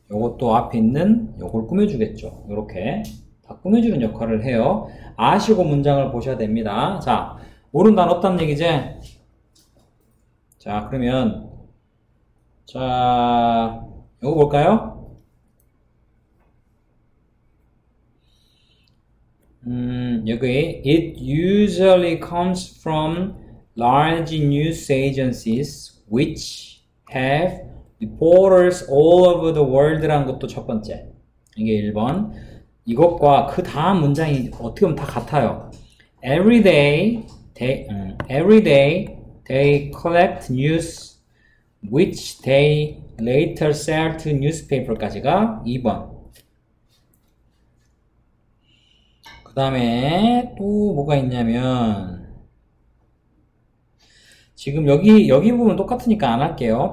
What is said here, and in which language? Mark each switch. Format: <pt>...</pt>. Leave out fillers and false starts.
<ko>요것도 앞에 있는 요걸 꾸며주겠죠? 요렇게 다 꾸며주는 역할을 해요. 아시고 문장을 보셔야 됩니다. 자, 모르는 단어 없다는 얘기지? 자, 그러면 자, 요거 볼까요?</ko> <en>여기 it usually comes from large news agencies which have reporters all over the world</en> <ko>라는 것도 첫 번째. 이게 1번. 이것과 그 다음 문장이 어떻게 보면 다 같아요.</ko> <en>Every day they collect news which they later sell to newspaper</en> <ko>까지가 2번. 그 다음에 또 뭐가 있냐면 지금 여기 부분 똑같으니까 안 할게요.</ko>